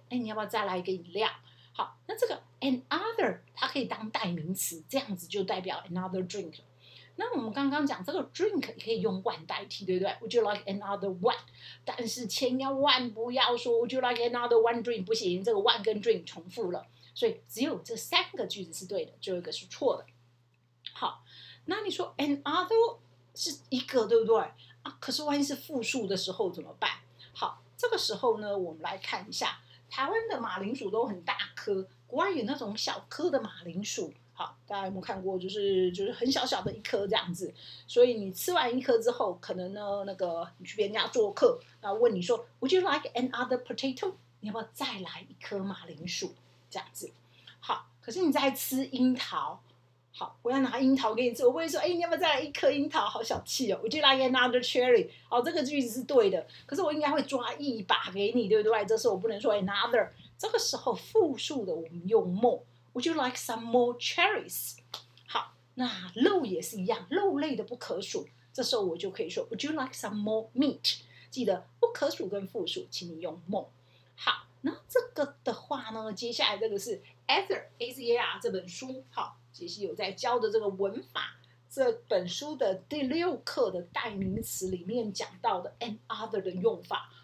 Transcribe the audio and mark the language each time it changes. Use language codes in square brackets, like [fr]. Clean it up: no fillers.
[zh] 哎，你要不要再来一个饮料？好，那这个 another 它可以当代名词，这样子就代表 another drink。那我们刚刚讲这个 drink 也可以用 one 代替，对不对？ [en] Would you like another one? [zh] 但是千要万不要说 [en] Would you like another one drink? [zh] 不行，这个 one 跟 drink 重复了，所以只有这三个句子是对的，就一个是错的。好，那你说 another 是一个，对不对、啊、可是万一是复数的时候怎么办？好，这个时候呢，我们来看一下，台湾的马铃薯都很大颗，国外有那种小颗的马铃薯。好，大家有没有看过，就是很小小的一颗这样子。所以你吃完一颗之后，可能呢，那个你去别人家做客，然后问你说 [en] Would you like another potato? [zh] 你要不要再来一颗马铃薯这样子。好，可是你在吃樱桃，好，我要拿樱桃给你吃，我会说哎、欸，你要不要再来一颗樱桃，好小气哦。 [en] Would you like another cherry? [zh] 好，这个句子是对的，可是我应该会抓一把给你，对不对？这时候我不能说 another， 这个时候复数的我们用 more。 [en] Would you like some more cherries? [zh] 好，那肉也是一样，肉类的不可数，这时候我就可以说 [en] Would you like some more meat? [zh] 记得不可数跟复数请你用 more。好，那这个的话呢，接下来这个是 Azar A-Z-A-R 这本书，好，杰西有在教的这个文法，这本书的第六课的代名词里面讲到的 and other 的用法。